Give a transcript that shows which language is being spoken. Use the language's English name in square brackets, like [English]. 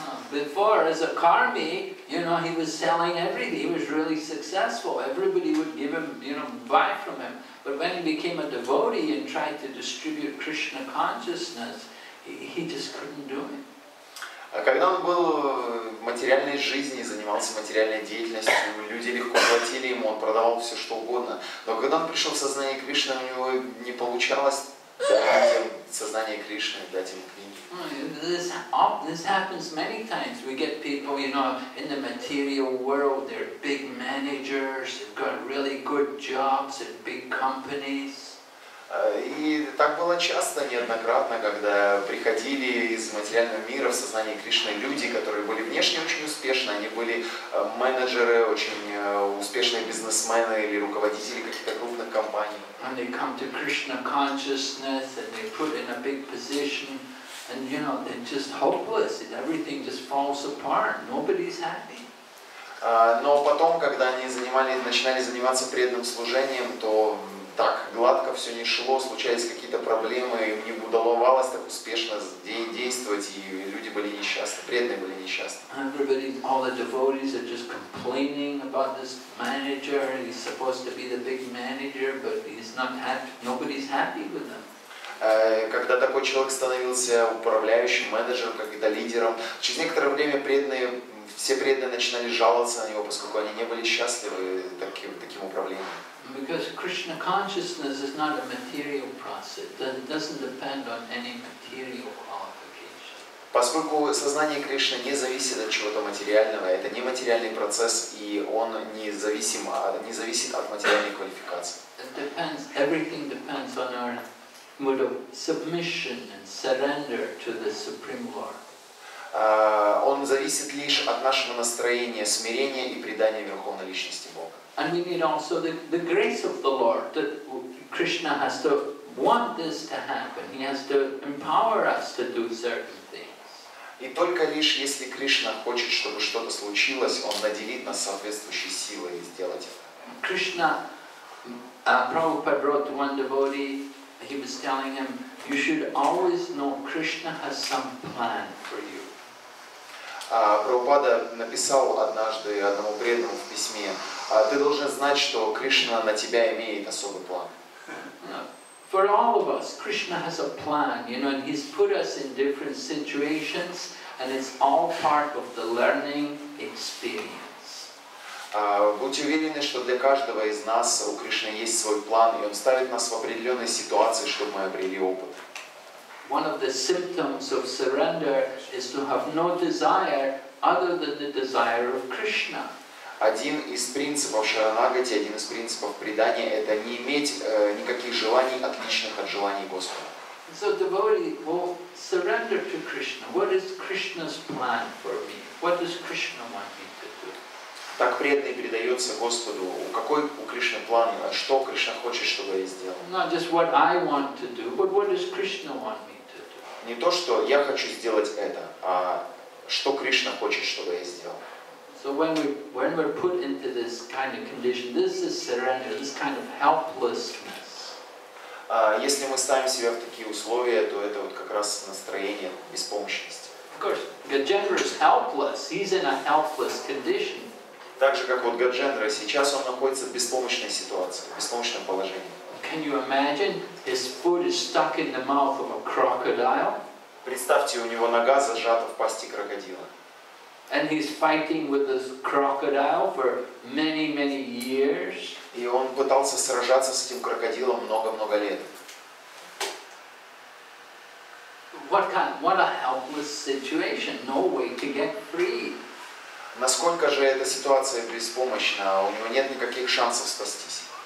[English] Before, as a karmi, you know, he was selling everything. He was really successful. Everybody would give him, you know, buy from him. But when he became a devotee and tried to distribute Krishna consciousness, he just couldn't do it. [Russian] А когда он был в материальной жизни, занимался материальной деятельностью, люди легко платили ему, он продавал все что угодно. Но когда он пришел в сознание Кришны, у него не получалось дать им сознание Кришны, дать им книги. [English] This happens many times. We get people, you know, in the material world, they're big managers, they've got really good jobs at big companies. [Russian] И так было часто, неоднократно, когда приходили из материального мира в сознание Кришны люди, которые были внешне очень успешны, они были менеджеры, очень успешные бизнесмены или руководители каких-то крупных компаний. [English] And they come to Krishna consciousness and they put in a big position and, you know, they're just hopeless and everything just falls apart, nobody's happy. [Russian] Но потом, когда они начинали заниматься преданным служением, то так гладко все не шло, случались какие-то проблемы, им не удавалось так успешно действовать, и люди были несчастны, преданные были несчастны. [English] Everybody, all the devotees are just complaining about this manager. He's supposed to be the big manager, but he's not happy. Nobody's happy with him. [Russian] Когда такой человек становился управляющим, менеджером, каким-то лидером, через некоторое время все преданные начинали жаловаться на него, поскольку они не были счастливы таким управлением. [English] Because Krishna consciousness is not a material process, it doesn't depend on any material qualification. [Russian] Поскольку сознание Кришны не зависит от чего-то материального, это не материальный процесс, и он не зависит от материальной квалификации. [English] Everything depends on our mood of submission and surrender to the Supreme Lord. [Russian] Он зависит лишь от нашего настроения, смирения и предания Верховной Личности Бога. [English] And we need also the grace of the Lord, that Krishna has to want this to happen. He has to empower us to do certain things. [Russian] И только лишь если Кришна хочет, чтобы что-то случилось, он наделит нас соответствующей силой и сделать это. [English] Krishna, Prabhupada wrote to one devotee, he was telling him, you should always know Krishna has some plan for you. [Russian] Прабхупада написал однажды одному преданному в письме, ты должен знать, что Кришна на тебя имеет особый план. [English] For all of us, Krishna has a plan, you know, and he's put us in different situations, and it's all part of the learning experience. [Russian] Будьте уверены, что для каждого из нас у Кришны есть свой план, и он ставит нас в определенной ситуации, чтобы мы обрели опыт. [English] One of the symptoms of surrender is to have no desire other than the desire of Krishna. [Russian] Один из принципов шаранагати, один из принципов предания – это не иметь никаких желаний, отличных от желаний Господа. [English] So devotee will surrender to Krishna. What is Krishna's plan for me? What does Krishna want me to do? [Russian] Так преданный предается Господу. Какой у Кришны план? Что Кришна хочет, чтобы я сделал? [English] Not just what I want to do, but what does Krishna want me to do? [Russian] Не то, что я хочу сделать это, а что Кришна хочет, чтобы я сделал. [English] So when we're put into this kind of condition, this is surrender, this kind of helplessness. [Russian] Если мы ставим себя в такие условия, то это вот как раз настроение беспомощности. [English] Of course, Gajendra is helpless. He's in a helpless condition. [Russian] Так же, как вот Гаджендра, сейчас он находится в беспомощной ситуации, в беспомощном положении. [English] Can you imagine? His food is stuck in the mouth of a crocodile. [Russian] Представьте, у него нога зажата в пасти крокодила. [English] And he's fighting with this crocodile for many, many years. [Russian] И он пытался сражаться с этим крокодилом много-много лет. [English] What a helpless situation. No way to get free. [Russian] Насколько же эта ситуация беспомощна, у него нет никаких шансов спастись.